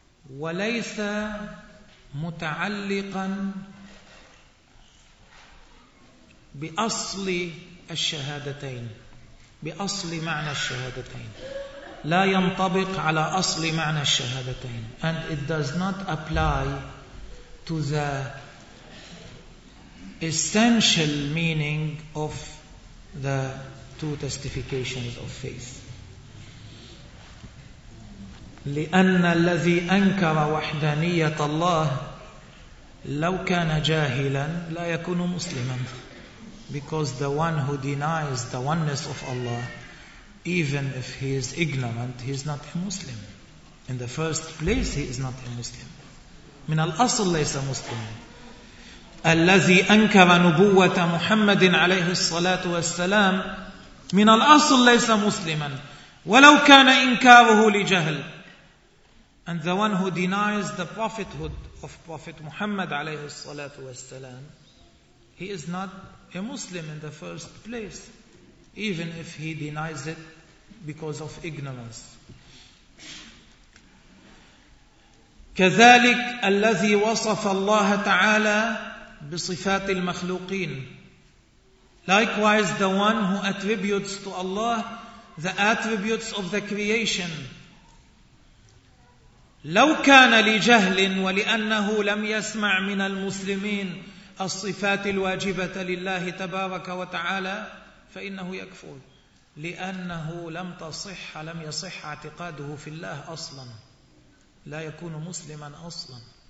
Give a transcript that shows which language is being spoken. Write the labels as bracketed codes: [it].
[ar] وليس متعلقا بأصل الشهادتين، بأصل معنى الشهادتين. لا ينطبق على أصل معنى الشهادتين. [en] And it does not apply to the essential meaning of the two testifications of faith. [ar] لأن الذي أنكر وحدانية الله لو كان جاهلا لا يكون مسلما. [en] Because the one who denies the oneness of Allah, even if he is ignorant, he is not a Muslim. In the first place, he is not a Muslim. [ar] من الأصل ليس مسلما. الذي أنكر نبوة محمد عليه الصلاة والسلام من الأصل ليس مسلما ولو كان إنكاره لجهل. [en] And the one who denies the prophethood of Prophet Muhammad عليه الصلاة والسلام, he is not a Muslim in the first place, even if he denies it because of ignorance. [ar] كذلك الذي وصف الله تعالى بصفات المخلوقين. [en] Likewise, the one who attributes to Allah the attributes of the creation. [ar] لو كان لجهل ولأنه لم يسمع من المسلمين الصفات الواجبة لله تبارك وتعالى فإنه يكفر لأنه لم يصح اعتقاده في الله أصلا لا يكون مسلما أصلا.